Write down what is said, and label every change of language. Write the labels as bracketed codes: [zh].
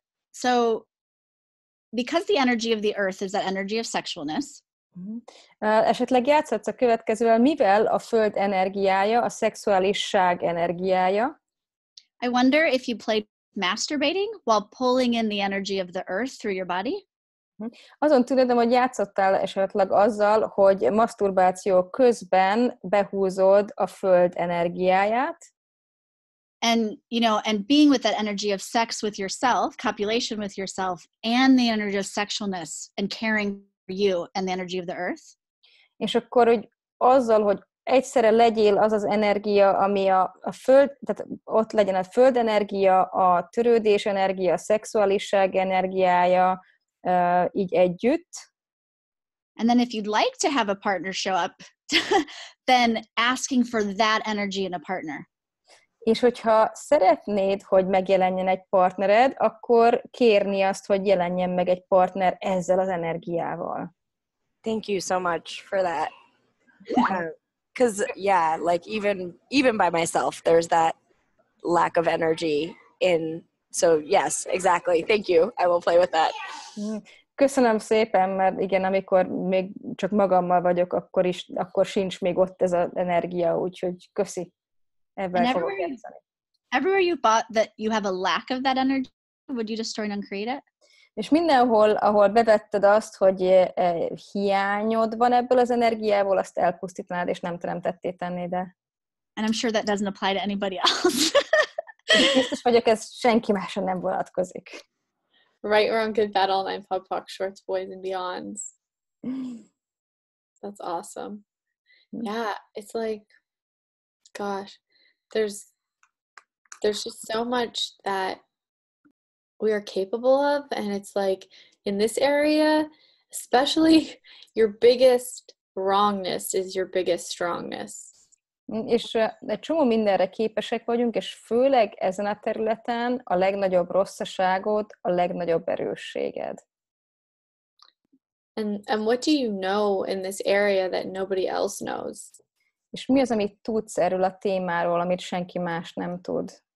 [en] So, because the energy of the earth is that energy of sexualness, [hu] Esetleg játszhatsz a következővel, mivel a föld energiája, a szexuálisság energiája? [en] I wonder if you played masturbating while pulling in the energy of the earth through your body? [hu] Azon tűnődöm, hogy játszottál esetleg azzal, hogy maszturbáció közben behúzod a föld energiáját. [en] And, you know, and being with that energy of sex with yourself, copulation with yourself, and the energy of sexualness and caring you and the energy of the earth. [hu] És akkor, hogy azzal, hogy egyszerre legyél az az energia, ami a föld, tehát ott legyen a föld energia, a törődés energia, a szexualisság energiája, így együtt. [en] And then if you'd like to have a partner show up, then asking for that energy in a partner. [hu] És hogyha szeretnéd, hogy megjelenjen egy partnered, akkor kérni azt, hogy jelenjen meg egy partner ezzel az energiával. [en] Thank you so much for that. Because, yeah, like even by myself, there's that lack of energy in. So, yes, exactly. Thank you. I will play with that. [hu] Köszönöm szépen, mert igen, amikor még csak magammal vagyok, akkor is, akkor sincs még ott ez az energia, úgyhogy köszi. Ebben fogok kérdezni. [en] Everywhere you thought that you have a lack of that energy, would you destroy and uncreate it? [hu] És mindenhol, ahol bevetted azt, hogy hiányod van ebből az energiából, azt elpusztítanád, és nem teremtetté tennéd el. [en] And I'm sure that doesn't apply to anybody else. [hu] Biztos vagyok, ez senki másra nem vonatkozik. [en] Right, wrong, good, bad, all nine, pop, pop, shorts, boys, and beyonds. That's awesome. Yeah, it's like, gosh, there's just so much that we are capable of, and it's like, in this area, especially, your biggest wrongness is your biggest strongness. [hu] És egy csomó mindenre képesek vagyunk, és főleg ezen a területen a legnagyobb rosszaságod, a legnagyobb erősséged. [en] And what do you know in this area that nobody else knows? [hu] És mi az, amit tudsz erről a témáról, amit senki más nem tud?